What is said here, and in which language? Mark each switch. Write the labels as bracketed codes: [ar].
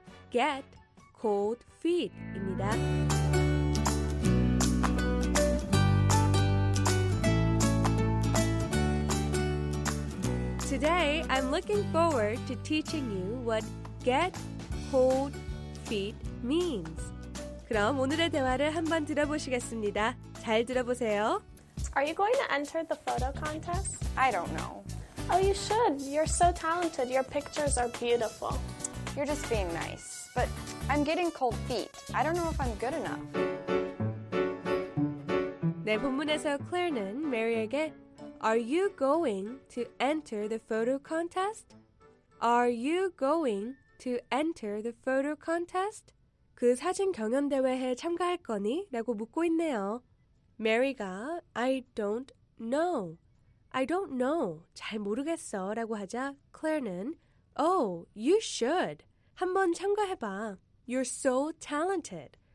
[en] Get cold feet [ko] 입니다. [en] 오늘, I'm looking forward to teaching you what get cold feet means. [ko] 그럼 오늘의 대화를 한번 들어보시겠습니다. 잘 들어보세요. [en] Are you going to enter the photo contest? I don't know. Oh, you should. You're so talented. Your pictures are beautiful. You're just being nice. But I'm getting cold feet. I don't know if I'm good enough. [ko] 네, 본문에서 Claire는 Mary에게 [en] Are you going to enter the photo contest? Are you going to enter the photo contest? [ko] 그 사진 경연대회에 참가할 거니? 라고 묻고 있네요. Mary가 [en] I don't know. I don't know. [ko] 잘 모르겠어. 라고 하자 Claire는 [en] Oh, you should. [ko] 한번 참가해봐. [en] You're so talented.